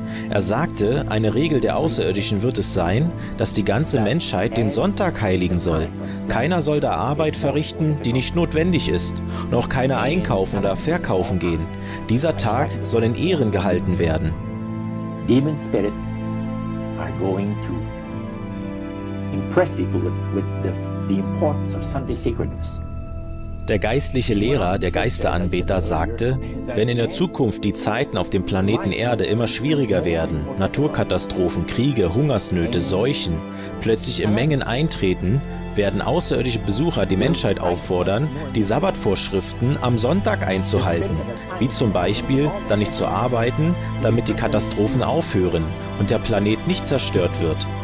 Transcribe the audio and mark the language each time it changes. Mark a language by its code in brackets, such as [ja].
[de] Er sagte, eine Regel der Außerirdischen wird es sein, dass die ganze Menschheit den Sonntag heiligen soll. Keiner soll da Arbeit verrichten, die nicht notwendig ist, noch keine einkaufen oder verkaufen gehen. Dieser Tag soll in Ehren gehalten werden. [en] Demon spirits are going to impress people with the importance of Sunday sacredness. [de] Der geistliche Lehrer, der Geisteranbeter, sagte, wenn in der Zukunft die Zeiten auf dem Planeten Erde immer schwieriger werden, Naturkatastrophen, Kriege, Hungersnöte, Seuchen plötzlich in Mengen eintreten, werden außerirdische Besucher die Menschheit auffordern, die Sabbatvorschriften am Sonntag einzuhalten, wie zum Beispiel, dann nicht zu arbeiten, damit die Katastrophen aufhören und der Planet nicht zerstört wird.